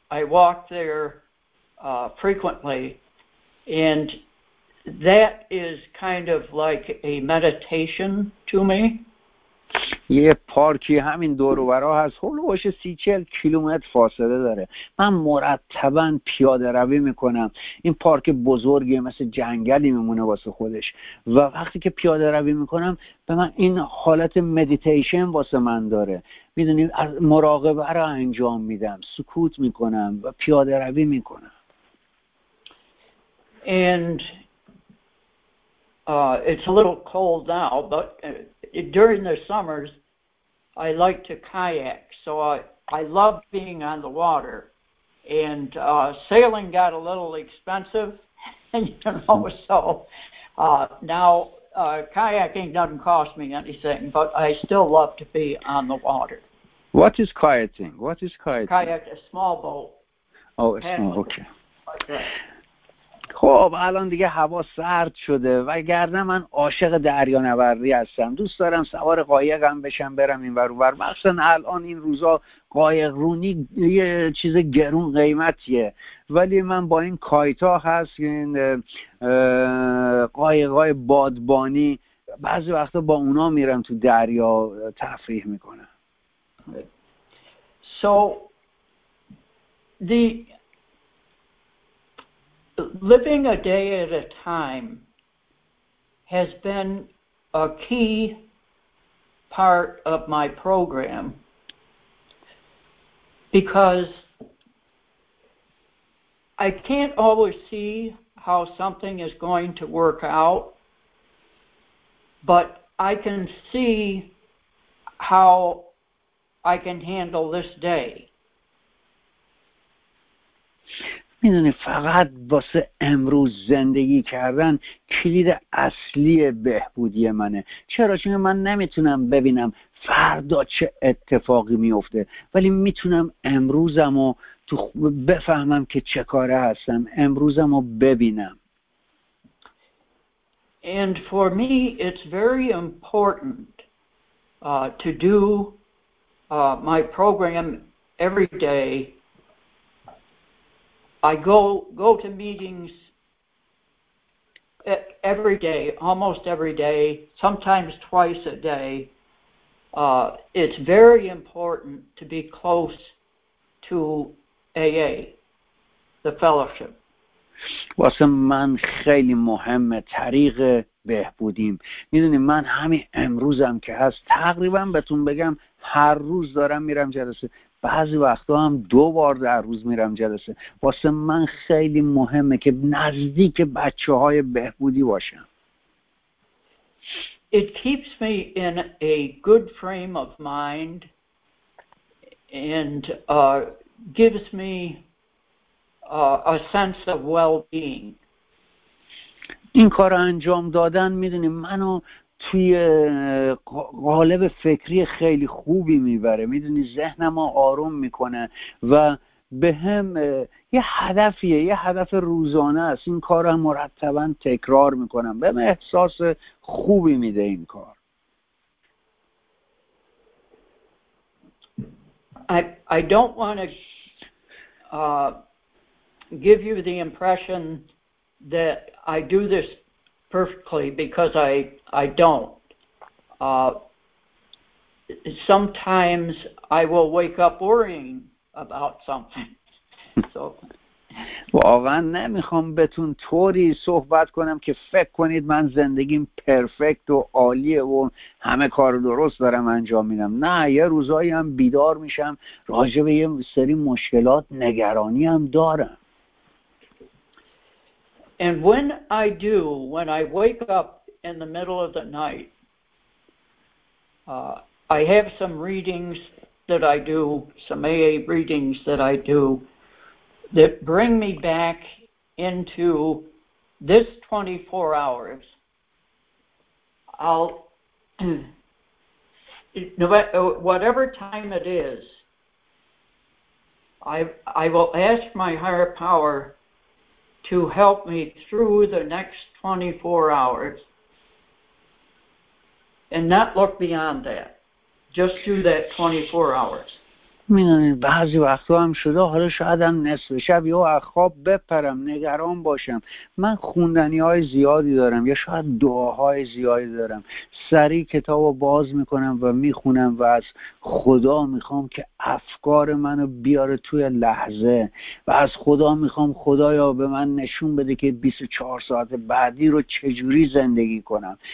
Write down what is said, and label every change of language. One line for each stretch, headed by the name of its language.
English: I walk there frequently, and that is kind of like a meditation to me.
Persian: یه پارکی همین دور و برا هست، هلوش 30-40 کیلومتر فاصله داره. من مرتبا پیاده روی میکنم. این پارک بزرگیه، مثل جنگلی میمونه واسه خودش، و وقتی که پیاده روی میکنم به من این حالت مدیتیشن واسه من داره. میدونی از مراقبه رو انجام میدم، سکوت میکنم و پیاده روی میکنم.
English: And it's a little cold now, but during the summers, I like to kayak, so I love being on the water. And sailing got a little expensive, you know, so now kayaking doesn't cost me anything, but I still love to be on the water. What is kayaking? What is kayaking? Kayak, a small boat. Oh, a small boat, okay. Like that.
Persian: خب الان دیگه هوا سرد شده و گردم من عاشق دریانوردی هستم، دوست دارم سوار قایقم بشم برم این ور و بر، مخصوصا الان این روزا قایق رونی یه چیز گرون قیمتیه، ولی من با این کایتا هست، این قایقای بادبانی، بعضی وقتا با اونا میرم تو دریا تفریح میکنم.
English: So the living a day at a time has been a key part of my program because I can't always see how something is going to work out, but I can see how I can handle this day.
Persian: میدونی فقط واسه امروز زندگی کردن کلید اصلی بهبودی منه. چرا؟ چون من نمیتونم ببینم فردا چه اتفاقی میفته، ولی میتونم امروزمو تو بفهمم که چه کاره هستم، امروزمو ببینم.
English: And for me it's very important to do my program every day. I go to meetings every day, almost every day, sometimes twice a day. It's very important to be close to AA, the fellowship.
Persian: واسه من خیلی مهمه طریق بهبودیم. میدونی من همین امروزم که هست تقریبا بهتون بگم هر روز دارم میرم جلسه. بعضی وقتا هم دو بار در روز میرم جلسه. واسه من خیلی مهمه که نزدیک بچه های بهبودی باشم.
English: It keeps me in a good frame of mind and gives me a sense of well-being.
Persian: این کار انجام دادن میدونی منو توی قالب فکری خیلی خوبی میبره، میدونی ذهنم رو آروم میکنه و به هم یه هدفیه، یه هدف روزانه است. این کار رو مرتبا تکرار میکنم، به من احساس خوبی میده این کار.
English: I don't want to give you the impression that I do this perfectly, because I don't. Sometimes I will wake up worrying about something. So.
Persian: واقعا نمیخوام بهتون طوری صحبت کنم که فکر کنید من زندگیم پرفکت و عالیه و همه کار درست دارم انجام میدم. نه، یه روزایی هم بیدار میشم راجع به یه سری مشکلات نگرانی هم دارم.
English: And when I do, when I wake up in the middle of the night, I have some readings that I do, some AA readings that I do, that bring me back into this 24 hours. Whatever time it is, I will ask my higher power to help me through the next 24 hours and not look beyond that, just through that 24 hours.
Persian: میدونید بعضی وقتا هم شده حالا شاید هم نصف شب یا از خواب بپرم نگران باشم، من خوندنی های زیادی دارم یا شاید دعاهای زیادی دارم، سریع کتاب رو باز میکنم و میخونم و از خدا میخوام که افکار منو بیاره توی لحظه و از خدا میخوام خدایا به من نشون بده که 24 ساعت بعدی رو چجوری زندگی کنم.